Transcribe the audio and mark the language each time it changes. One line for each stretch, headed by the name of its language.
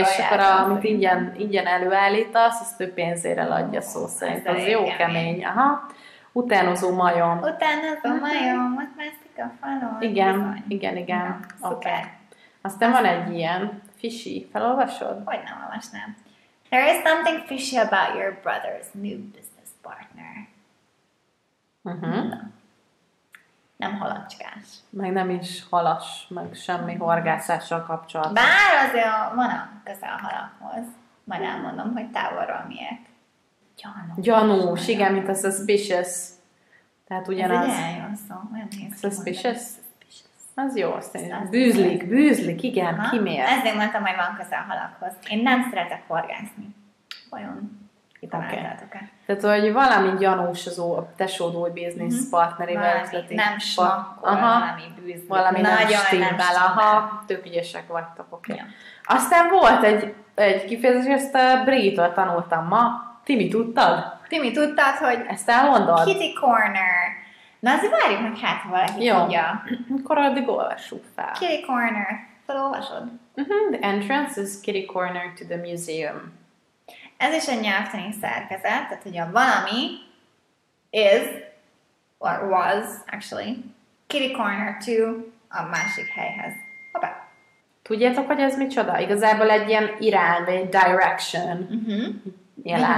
Hungarian: És akkor amit ingyen előállítasz, azt ő pénzére adja szó szerint. Ez jó kemény. Aha. Utánozó majom. Ott mászik a falon. Igen. Szuper. Aztán van egy ilyen
English: fishy.
Hungarian: Felolvasod? Hogy nem olvasnám.
English: There is something fishy about your brother's new business partner.
Hungarian: Nem halacskás. Meg nem is halas, meg semmi horgászással kapcsolatban. Bár azért van a közel a halakhoz. Majd elmondom, hogy távolról miért. Gyanús. Igen, mint a
English: suspicious.
Hungarian: Tehát ugyanaz. Ez egy olyan szó.
English: Suspicious.
Hungarian: Az jó, szerintem. Bűzlik, igen, aha. Kimért. Ezért mondtam, hogy van közel halakhoz. Én nem szeretek horgászni. Vajon kitaláltatok-e?
English: Okay.
Hungarian: Tehát, hogy valami gyanús az a tesód új biznisz partnerével. Valami nem smakkol, valami bűzlik. Valami nagyon nem stimmel. Aha, tök ügyesek vagytok, oké.
English: Okay.
Hungarian: Aztán volt egy kifejezés, ezt a Brigitől tanultam ma. Timi, tudtad, hogy... Ezt elmondod?
English: Kitty Corner.
Hungarian: Na, azért várjuk, hogy hát valaki tudja. Akkor addig olvassuk fel.
English: Kitty Corner.
Hungarian: Felolvasod? The entrance is Kitty Corner to the museum. Ez is egy nyelvtani szerkezet, tehát hogy a valami
English: is, or was, actually, Kitty Corner to
Hungarian: a másik helyhez. Hoppá. Tudjátok, hogy ez micsoda? Igazából egy ilyen irány, egy
English: direction
Hungarian: jelent.